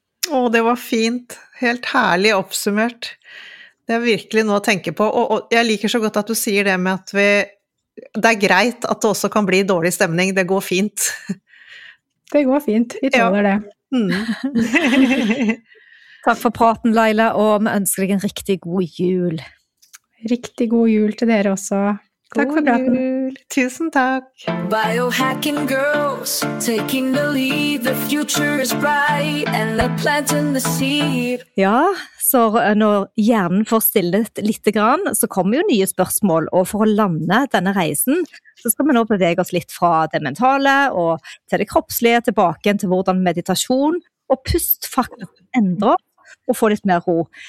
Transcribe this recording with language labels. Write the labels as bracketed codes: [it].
[sv] Åh, det var fint, helt härligt uppsummert. Det är verkligen något att tänka på och jag liker så gott att du säger det med att vi det är grejt att det också kan bli dålig stämning, det går fint. Det går fint, vi tåler det. Tack för praten Laila och jag önskar dig en riktigt god jul. [no] Riktig god jul til dere også. Takk for praten. Tusen takk. [en] Biohacking girls, taking the lead, the future is bright, and the plant in the seed. [no] Ja, så når hjernen får stillet litt, så kommer jo nye spørsmål, og for å lande denne reisen, så skal vi nå bevege oss litt fra det mentale, og til det kroppslige, tilbake til hvordan meditasjon og pust faktisk endrer, og få litt mer ro.